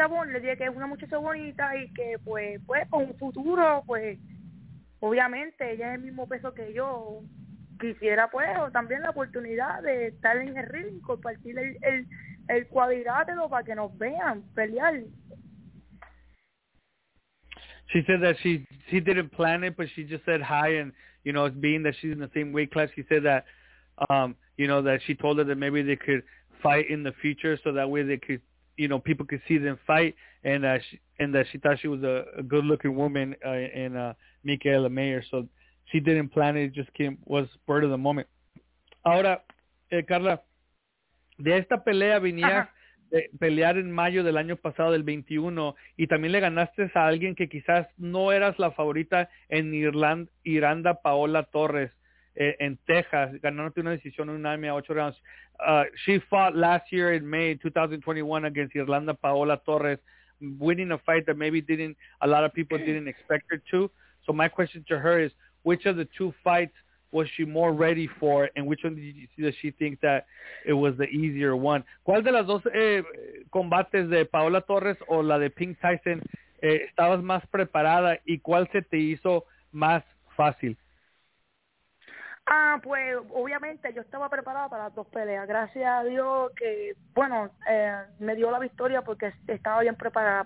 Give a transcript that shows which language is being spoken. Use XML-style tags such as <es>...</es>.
<es>Le dije que es una muchacha bonita y que pues con un futuro, pues obviamente ella es el mismo peso que yo, quisiera pues también la oportunidad de estar en el ring, compartir el cuadrilátero para que nos vean pelear.</es> <en>She said that she didn't plan it, but she just said hi, and you know, being that she's in the same weight class, she said that you know, that she told her that maybe they could fight in the future so that way they could, you know, people could see them fight, and that she thought she was a good-looking woman in Michaela Mayer. So she didn't plan it; just was part of the moment.</en> <es>Ahora, Carla, de esta pelea venías de pelear en mayo del año pasado, del 21, y también le ganaste a alguien que quizás no eras la favorita en Iranda Paola Torres.</es> <en>In Texas,</en> <es>ganándote una decisión unánime a 8 rounds.</es> <en>She fought last year in May 2021 against Irlanda Paola Torres, winning a fight that maybe a lot of people didn't expect her to. So my question to her is, which of the two fights was she more ready for, and which one did you see that she thinks that it was the easier one?</en> <es>¿Cuál de las dos combates de Paola Torres o la de Pink Tyson estabas más preparada y cuál se te hizo más fácil? Pues obviamente yo estaba preparada para las dos peleas. Gracias a Dios que, bueno, me dio la victoria porque estaba bien preparada.</es>